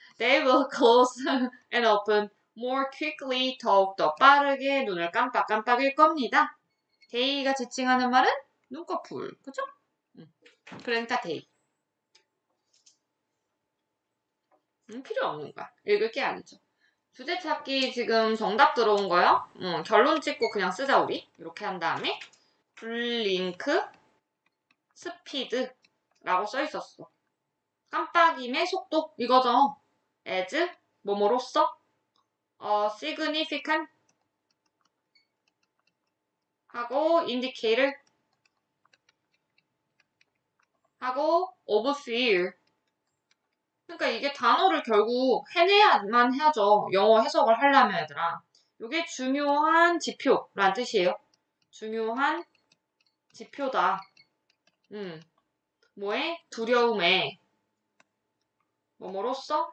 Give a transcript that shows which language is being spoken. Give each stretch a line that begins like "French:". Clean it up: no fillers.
English: They will close and open more quickly.
Korean: 더욱더 빠르게 눈을 깜빡깜빡일 겁니다. They가 지칭하는 말은 눈꺼풀. 그쵸? 그러니까 they. 필요 없는 거야. 읽을 게 아니죠. 주제 찾기 지금 정답 들어온 거요. 결론 찍고 그냥 쓰자 우리. 이렇게 한 다음에 블링크 스피드라고 써 있었어. 깜빡임의 속도 이거죠.
English: as
Korean: 뭐뭐로써
English: significant 하고 indicator 하고 of fear.
Korean: 그러니까 이게 단어를 결국 해내야만 하죠. 영어 해석을 하려면 얘들아. 이게 중요한 지표란 뜻이에요. 중요한 지표다. 뭐에? 두려움에. 뭐뭐로써?